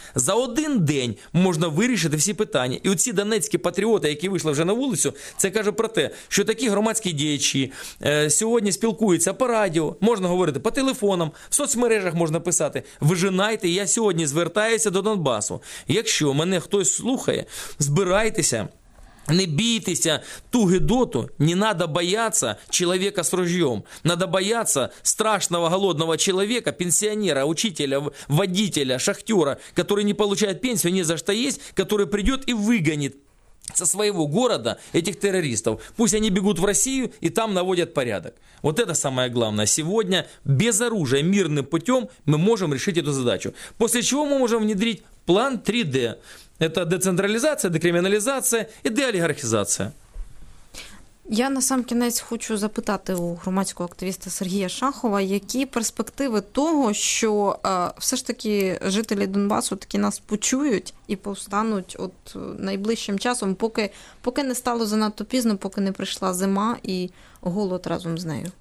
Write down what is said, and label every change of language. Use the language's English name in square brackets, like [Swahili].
[Ukrainian] За один день можна вирішити всі питання. І оці донецькі патріоти, які вийшли вже на вулицю, це каже про те, що такі громадські діячі сьогодні спілкуються по радіо, можна говорити по телефонам, в соцмережах можна писати. Вижинайте, я сьогодні звертаюся до Донбасу. Якщо мене хтось слухає, збирайтеся. Не бійтеся ту гидоту, [Russian] не надо бояться [Ukrainian] чоловіка з ружьем. [Russian] Надо бояться страшного голодного чоловіка, пенсіонера, учителя, водителя, шахтера, который не получает пенсию, не за что есть, который придет и выгонит со своего города этих террористов. Пусть они бегут в Россию и там наводят порядок. Вот это самое главное. Сегодня без оружия, мирным путем мы можем решить эту задачу. После чего мы можем внедрить план 3D. Это децентрализация, [Ukrainian] декриміналізація і деолігархізація. Я на сам кінець хочу запитати у громадського активіста Сергія Шахова, які перспективи того, що все ж таки жителі Донбасу таки нас почують і повстануть от найближчим часом, поки не стало занадто пізно, поки не прийшла зима і голод разом з нею.